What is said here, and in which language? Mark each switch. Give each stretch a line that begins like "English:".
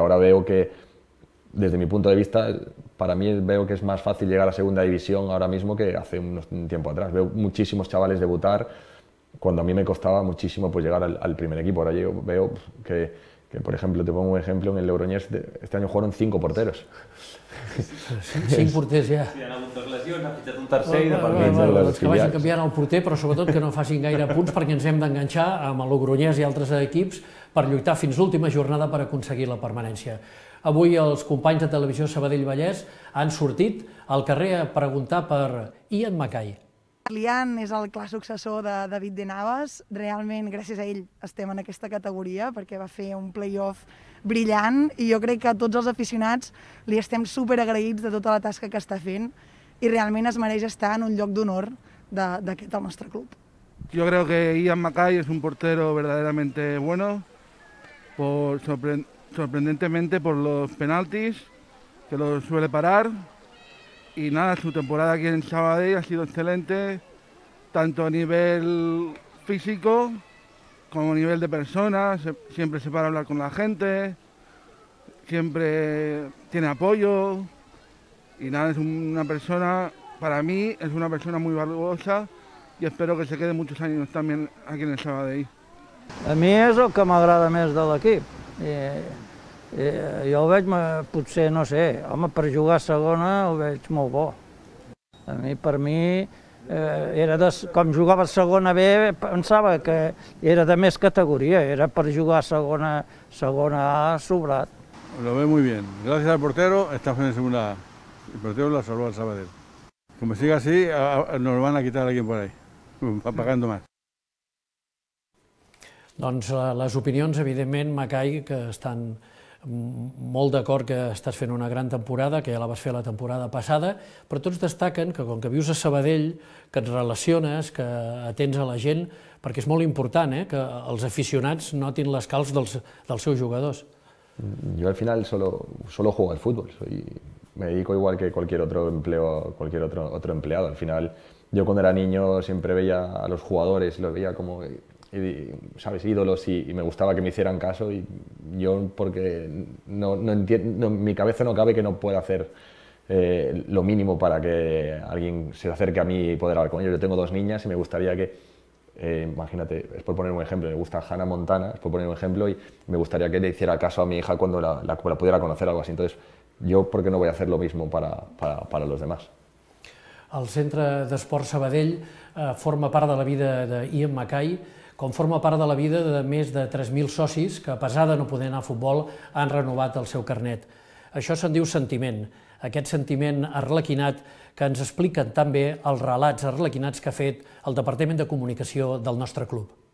Spanish: Ahora veo que desde mi punto de vista, para mí veo que es más fácil llegar a segunda división ahora mismo que hace un tiempo atrás. Veo muchísimos chavales debutar cuando a mí me costaba muchísimo pues llegar al primer equipo. Ahora yo veo que, por ejemplo, te pongo un ejemplo, en el Logroñés este año jugaron 5 porteros.
Catalan: 5 porters ja. Sí, han hagut dos lesions, ha fitxat un tercer. Que vagin canviant el porter, però sobretot que no facin gaire punts perquè ens hem d'enganxar amb el Logroñés i altres equips per lluitar fins l'última jornada per aconseguir la permanència. Avui els companys de Televisió Sabadell Vallès han sortit al carrer a preguntar per Ian Mackay. Lian és el clar successor de David de Navas. Realment, gràcies a ell, estem en aquesta categoria perquè va fer un play-off brillant i jo crec que a tots els aficionats li estem superagraïts de tota la tasca que està fent i realment es mereix estar en un lloc d'honor d'aquest del nostre club. Jo crec que Ian Mackay és un
Spanish: portero verdaderament bueno, sorprendentemente por los penaltis, que lo suele parar. Y nada, su temporada aquí en Sabadell ha sido excelente, tanto a nivel físico como a nivel de persona. Siempre se para a hablar con la gente, siempre tiene apoyo. Y nada, es una persona, para mí, es una persona muy valiosa y espero que se quede muchos años también aquí en el Sabadell.
Catalan: A mi és el que m'agrada més de l'equip. Jo ho veig, potser, no sé, home, per jugar a segona ho veig molt bo. A mi, per mi, era de, com jugava a segona B, pensava que era de més categoria, era per jugar a segona A sobrat.
Spanish: Lo veo muy bien. Gracias al portero, está en segunda A. El portero la salvó al Sabadell. Como siga así, nos van a quitar alguien por ahí, pagando más.
Catalan: Doncs les opinions, evidentment, Macai, que estan molt d'acord que estàs fent una gran temporada, que ja la vas fer la temporada passada, però tots destaquen que com que vius a Sabadell, que et relaciones, que atens a la gent, perquè és molt important que els aficionats notin les calces dels seus jugadors.
Spanish: Jo al final solo juego al fútbol, me dedico igual que cualquier otro empleado. Al final, yo cuando era niño siempre veía a los jugadores, los veía como... Y, sabes, ídolos, y me gustaba que me hicieran caso, y yo, porque no entiendo, mi cabeza no cabe que no pueda hacer lo mínimo para que alguien se acerque a mí y poder hablar con ellos. Yo tengo dos niñas y me gustaría que, imagínate, es por poner un ejemplo, me gusta Hannah Montana, es por poner un ejemplo, y me gustaría que le hiciera caso a mi hija cuando la pudiera conocer, algo así. Entonces, yo, ¿por qué no voy a hacer lo mismo para los demás?
Catalan: El Centre d'Esport Sabadell forma part de la vida d'Ian Macai, com forma part de la vida de més de 3.000 socis que, a pesar de no poder anar a futbol, han renovat el seu carnet. Això se'n diu sentiment, aquest sentiment arlequinat que ens expliquen també els relats arlequinats que ha fet el Departament de Comunicació del nostre club.